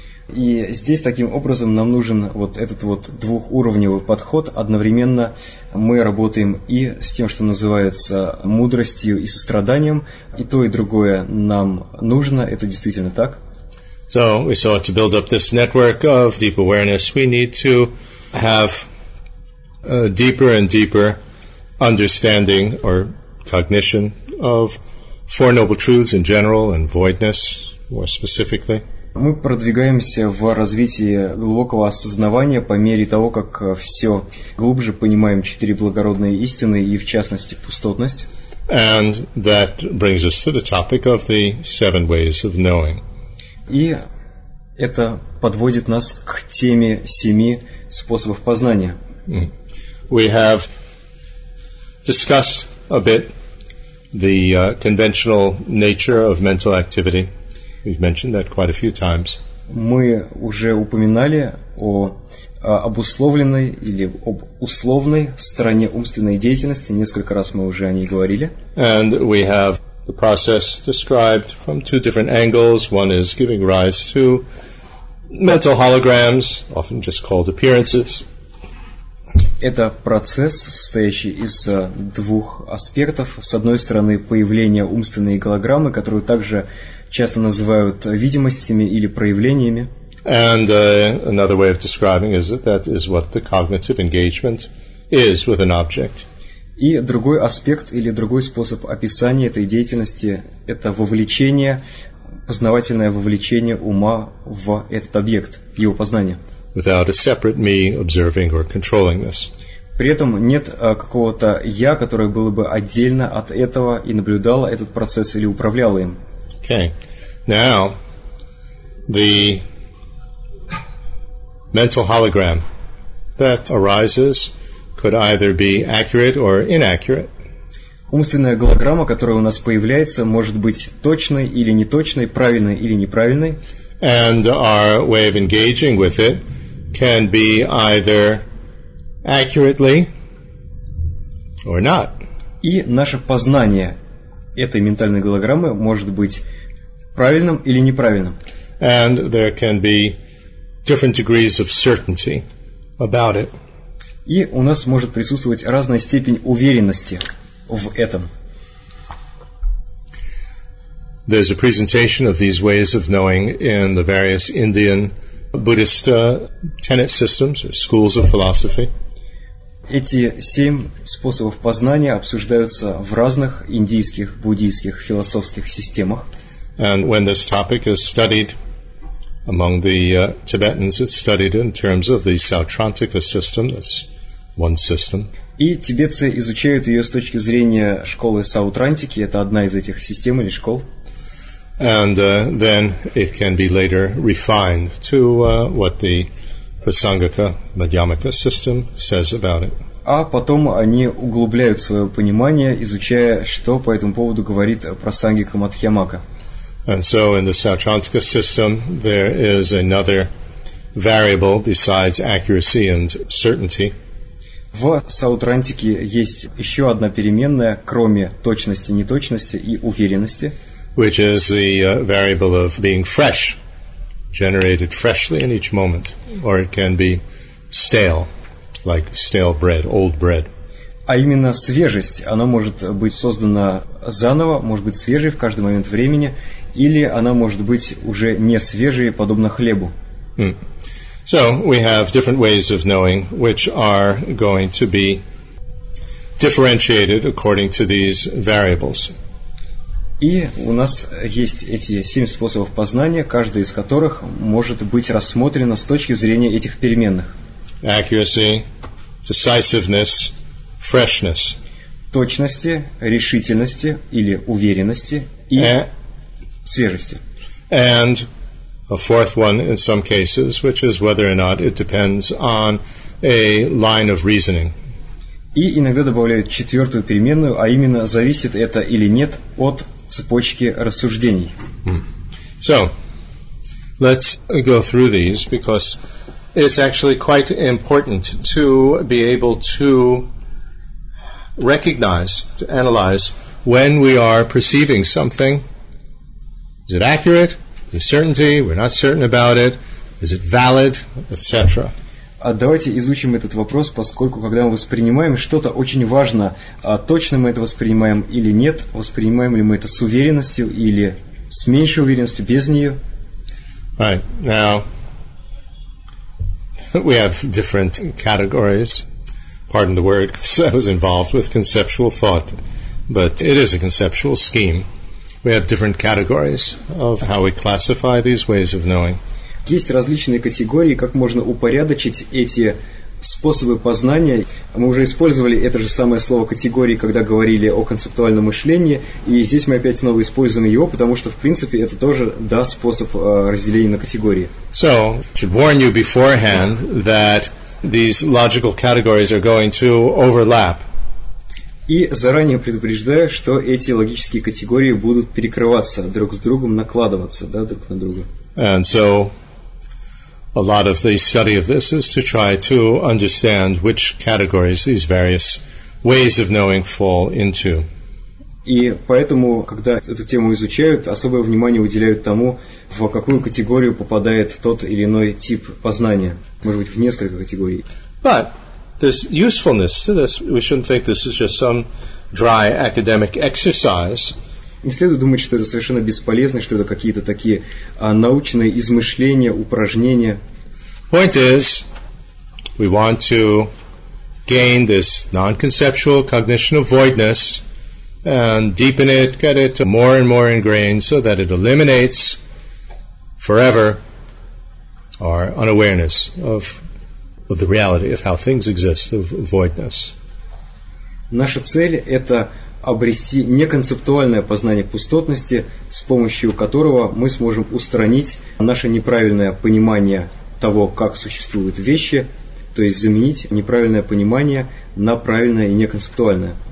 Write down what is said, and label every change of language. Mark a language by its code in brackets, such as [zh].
[ru] И здесь таким образом нам нужен вот этот вот двухуровневый подход. Одновременно мы работаем и с тем, что называется мудростью и состраданием, и то, и другое нам нужно, это действительно так. [en] So we saw to build up this network of deep awareness, we need to have a deeper and deeper understanding or cognition of Four Noble Truths in general and voidness more specifically. [ru] Мы продвигаемся в развитии глубокого осознавания по мере того, как все глубже понимаем четыре благородные истины и, в частности, пустотность. [en] And that brings us to the topic of the seven ways of knowing. [ru] И это подводит нас к теме семи способов познания. [en] We have discussed a bit the conventional nature of mental activity. We've mentioned that quite a few times. [ru] Мы уже упоминали о обусловленной или об условной стороне умственной деятельности. Несколько раз мы уже о ней говорили. [en] And we have the process described from two different angles. One is giving rise to mental holograms, often just called appearances. [ru] Это процесс, состоящий из двух аспектов. С одной стороны, появление умственной голограммы, которую также часто называют видимостями или проявлениями. [en] And another way of describing is that that is what the cognitive engagement is with an object. [ru] И другой аспект или другой способ описания этой деятельности – это вовлечение, познавательное вовлечение ума в этот объект, его познание. [en] Without a separate me observing or controlling this. [ru] При этом нет какого-то я, которое было бы отдельно от этого и наблюдало этот процесс или управляло им. [en] Okay. Now, the mental hologram that arises could either be accurate or inaccurate. [ru] Умственная голограмма, которая у нас появляется, может быть точной или неточной, правильной или неправильной. [en] And our way of engaging with it can be either accurately or not. [ru] И наше познание этой ментальной голограммы может быть правильным или неправильным. [en] And there can be different degrees of certainty about it. [ru] И у нас может присутствовать разная степень уверенности в этом. [en] There's a presentation of these ways of knowing in the various Indian Buddhist tenet systems or schools of philosophy. [ru] Эти семь способов познания обсуждаются в разных индийских, буддийских, философских системах. [en] And when this topic is studied among the Tibetans, it's studied in terms of the Sautrantika system, that's one system. [ru] И тибетцы изучают ее с точки зрения школы Саутрантики, это одна из этих систем или школ. [en] And then it can be later refined to what the Prasangika Madhyamika system says about it. [ru] А потом они углубляют свое понимание, изучая, что по этому поводу говорит Прасангика Мадхьямака. [en] And so in the Sautrantika system there is another variable besides accuracy and certainty. [ru] В Саутрантике есть еще одна переменная, кроме точности, неточности и уверенности. [en] Which is the variable of being fresh, generated freshly in each moment, or it can be stale, like stale bread, old bread. [ru] А именно свежесть, она может быть создана заново, может быть свежей в каждый момент времени, или она может быть уже не свежей, подобно хлебу. Mm. [en] So we have different ways of knowing, which are going to be differentiated according to these variables. [ru] И у нас есть эти семь способов познания, каждый из которых может быть рассмотрено с точки зрения этих переменных. [en] Accuracy, decisiveness, freshness. [ru] Точности, решительности или уверенности и свежести. [en] And a fourth one in some cases, which is whether or not it depends on a line of reasoning. [ru] И иногда добавляют четвертую переменную, а именно зависит это или нет от цепочки рассуждений. [en] So, let's go through these because it's actually quite important to be able to recognize, to analyze when we are perceiving something. Is it accurate? Is there certainty? We're not certain about it. Is it valid? Etc. [ru] Давайте изучим этот вопрос, поскольку когда мы воспринимаем что-то, очень важно, точно мы это воспринимаем или нет, воспринимаем ли мы это с уверенностью или с меньшей уверенностью, без нее. [en] Right. Now, we have different categories. Pardon the word, because I was involved with conceptual thought, but it is a conceptual scheme. We have different categories of how we classify these ways of knowing. [ru] Есть различные категории, как можно упорядочить эти способы познания. Мы уже использовали это же самое слово «категории», когда говорили о концептуальном мышлении, и здесь мы опять снова используем его, потому что, в принципе, это тоже, да, способ разделения на категории. [en] So, I should warn you beforehand that these logical categories are going to overlap. [ru] И заранее предупреждаю, что эти логические категории будут перекрываться друг с другом, накладываться, да, друг на друга. [en] And so, a lot of the study of this is to try to understand which categories these various ways of knowing fall into. И поэтому, когда эту тему изучают, особое внимание уделяют тому, в какую категорию попадает тот или иной тип познания. [ru] Может быть, в несколько категорий. [en] But there's usefulness to this. We shouldn't think this is just some dry academic exercise. [ru] Не следует думать, что это совершенно бесполезно, что это какие-то такие научные измышления, упражнения. [en] Point is, we want to gain this non-conceptual cognition of voidness and deepen it, get it more and more ingrained so that it eliminates forever our unawareness of the reality of how things exist, of voidness. [ru] Наша цель – это обрести неконцептуальное познание пустотности, с помощью которого мы сможем устранить наше неправильное понимание того, как существуют вещи, то есть заменить неправильное понимание на правильное и неконцептуальное.